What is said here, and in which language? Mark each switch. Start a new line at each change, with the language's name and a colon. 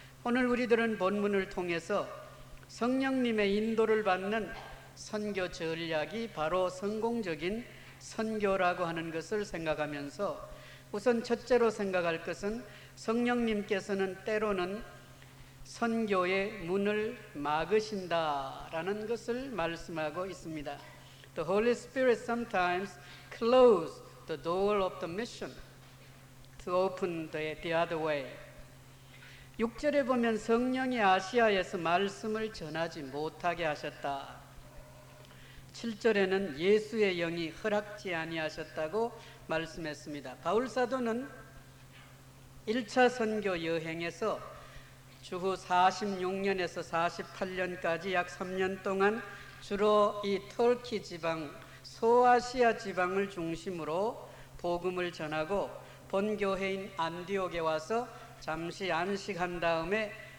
Korean: 오늘 우리들은 본문을 통해서 성령님의 인도를 받는 선교 전략이 바로 성공적인 선교라고 하는 것을 생각하면서 우선 첫째로 생각할 것은 성령님께서는 때로는 선교의 문을 막으신다라는 것을 말씀하고 있습니다.
English: The Holy Spirit sometimes closes the door of the mission. To open the other way.
Korean: 6절에 보면 성령이 아시아에서 말씀을 전하지 못하게 하셨다. 7절에는 예수의 영이 허락지 아니하셨다고 말씀했습니다. 바울사도는 1차 선교 여행에서 주후 46년에서 48년까지 약 3년 동안 주로 이 터키 지방, 소아시아 지방을 중심으로 복음을 전하고 본교회인 안디옥에 와서 잠시 안식한 다음에